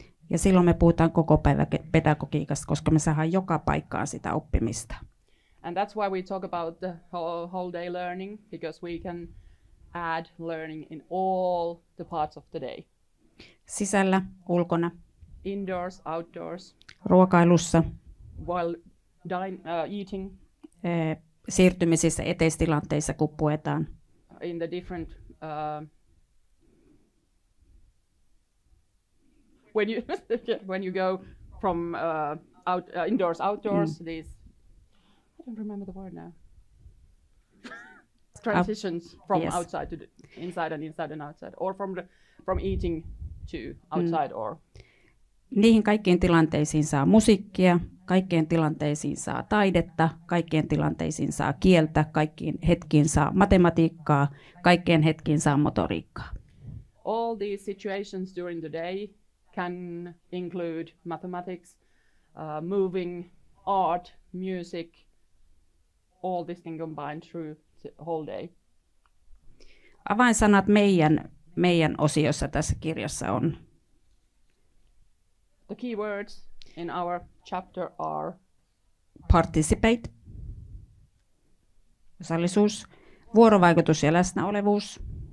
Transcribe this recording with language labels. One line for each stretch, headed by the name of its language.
Finnish: Ja silloin me puhutaan koko päivä pedagogiikasta, koska me saadaan joka paikkaan sitä oppimista.
English: And that's why we talk about the whole day learning, because we can add learning in all the parts of the day.
Finnish: Sisällä, ulkona.
English: Indoors, outdoors.
Finnish: Ruokailussa.
English: While eating.
Finnish: Siirtymisissä, eteistilanteissa, kun puetaan.
English: In the different when you when you go from indoors, outdoors, mm. these, I don't remember the word now, transitions from yes. outside to the inside and inside and outside, or from eating to outside mm. or.
Finnish: Niihin kaikkiin tilanteisiin saa musiikkia, kaikkien tilanteisiin saa taidetta, kaikkien tilanteisiin saa kieltä, kaikkiin hetkiin saa matematiikkaa, kaikkien hetkiin saa motoriikkaa.
English: All these situations during the day can include mathematics, moving, art, music, all this can combine through the whole day.
Finnish: Avainsanat meidän osiossa tässä kirjassa on.
English: The key words in our chapter are participate,
Finnish: osallisuus, vuorovaikutus ja läsnäolevuus,